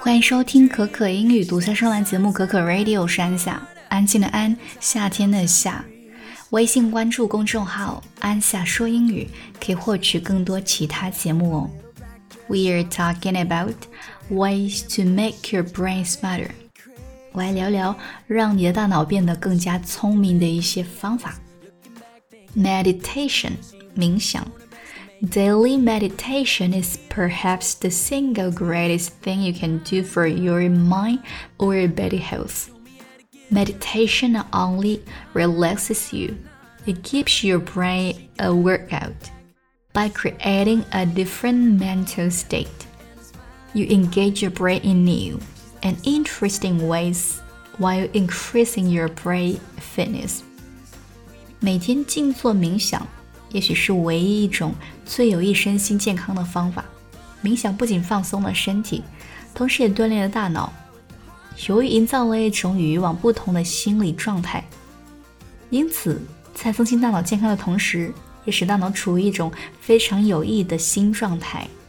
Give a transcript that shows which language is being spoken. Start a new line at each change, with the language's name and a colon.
Chinese: 欢迎收听可可英语读三声兰节目，可可 Radio 是安夏，安静的安，夏天的夏。微信关注公众号安夏说英语，可以获取更多其他节目哦。
English: We are talking about ways to make your brain smarter.
Chinese: 我来聊聊让你的大脑变得更加聪明的一些方法。
English: Meditation, 冥想。 Daily meditation is perhaps the single greatest thing you can do for your mind or your body health. Meditation not only relaxes you, it keeps your brain a workout. By creating a different mental state, you engage your brain in new and interesting ways while increasing your brain fitness.
Chinese: 每天静坐冥想也许是唯一一种最有益身心健康的方法。冥想不仅放松了身体，同时也锻炼了大脑，由于营造了一种与以往不同的心理状态。因此，在增进大脑健康的同时，也使大脑处于一种非常有益的新状态。